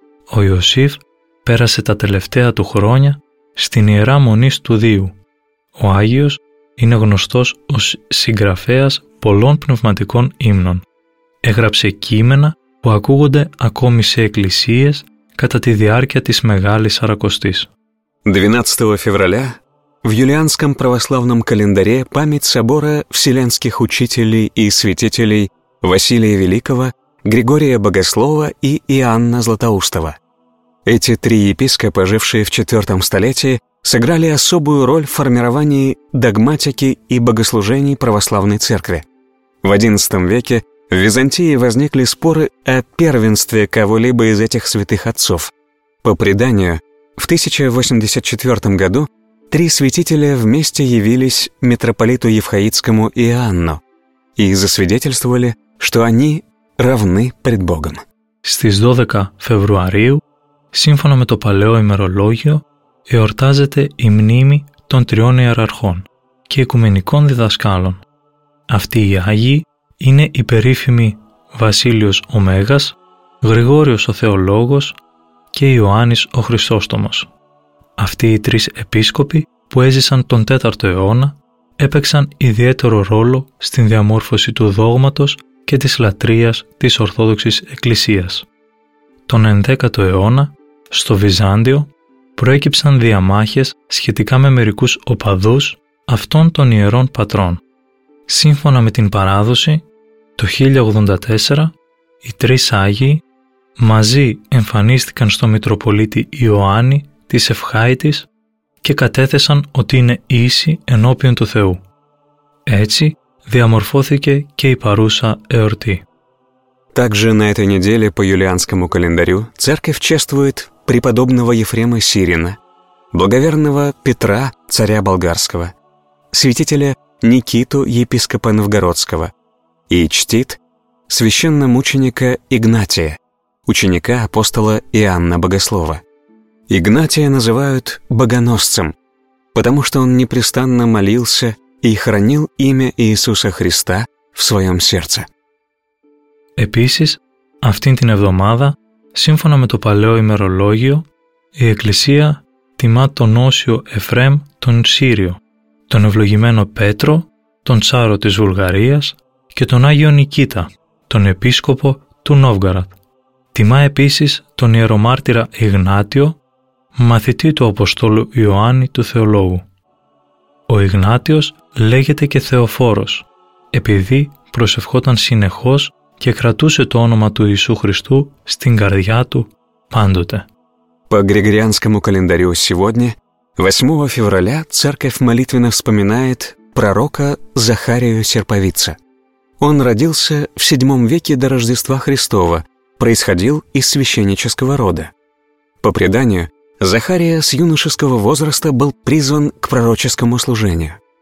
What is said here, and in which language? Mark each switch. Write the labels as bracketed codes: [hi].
[el] Ο Ιωσήφ πέρασε τα τελευταία του χρόνια στην Ιερά Μονή Στουδίου. Ο Άγιος είναι γνωστός ως συγγραφέας πολλών πνευματικών ύμνων. Έγραψε κείμενα που ακούγονται ακόμη σε εκκλησίες κατά τη διάρκεια της Μεγάλης Σαρακοστής. [ru] 12 февраля в юлианском православном календаре память собора вселенских учителей и святителей Василия Великого, Григория Богослова и Иоанна Златоустова. Эти три епископа, жившие в IV столетии, сыграли особую роль в формировании догматики и богослужений православной церкви. В XI веке в Византии возникли споры о первенстве кого-либо из этих святых отцов. По преданию, в 1084 году три святителя вместе явились митрополиту Евхаитскому Иоанну и засвидетельствовали, что они равны пред Богом. [el] Στις 12 [ru] февраля, [el] σύμφωνα με το παλαιό ημερολόγιο, εορτάζεται η μνήμη των τριών ιεραρχών και οικουμενικών διδασκάλων. Αυτοί οι Άγιοι είναι οι περίφημοι Βασίλειος ο Μέγας, Γρηγόριος ο Θεολόγος και Ιωάννης ο Χρυσόστομος. Αυτοί οι τρεις επίσκοποι που έζησαν τον 4ο αιώνα έπαιξαν ιδιαίτερο ρόλο στην διαμόρφωση του δόγματος και της λατρείας της Ορθόδοξης Εκκλησίας. Τον 11ο αιώνα, στο Βυζάντιο, προέκυψαν διαμάχες σχετικά με μερικούς οπαδούς αυτών των ιερών πατρών. Σύμφωνα με την παράδοση, το 1084 οι τρεις Άγιοι μαζί εμφανίστηκαν στο Μητροπολίτη Ιωάννη της Ευχάητης και κατέθεσαν ότι είναι ίση ενώπιον του Θεού. Έτσι διαμορφώθηκε και η παρούσα εορτή. [ru] Также на этой неделе по юлианскому календарю церковь чествует преподобного Ефрема Сирина, благоверного Петра, царя болгарского, святителя Никиту, епископа новгородского, и чтит священномученика Игнатия, ученика апостола Иоанна Богослова. Игнатия называют богоносцем, потому что он непрестанно молился и хранил имя Иисуса Христа в своем сердце. [el] Επίσης, αυτήν την εβδομάδα, σύμφωνα με το παλαιό ημερολόγιο, η Εκκλησία τιμά τον Όσιο Εφρέμ τον Σύριο, τον ευλογημένο Πέτρο, τον Τσάρο της Βουλγαρίας και τον Άγιο Νικήτα, τον επίσκοπο του Νόβγαραντ. Τιμά επίσης τον ιερομάρτυρα Ιγνάτιο, μαθητή του Αποστόλου Ιωάννη του Θεολόγου. Ο Ιγνάτιος λέγεται και Θεοφόρος, επειδή προσευχόταν συνεχώς και κρατούσε το όνομα του Ιησού Χριστού στην καρδιά του πάντοτε. [ru] По Григорианскому календарю сегодня, 8 февраля, церковь молитвенно вспоминает пророка Захарию Серповица. Он родился в 7 веке до Рождества Христова, происходил из священнического рода. По преданию, Захария с юношеского возраста был призван к пророческому служению.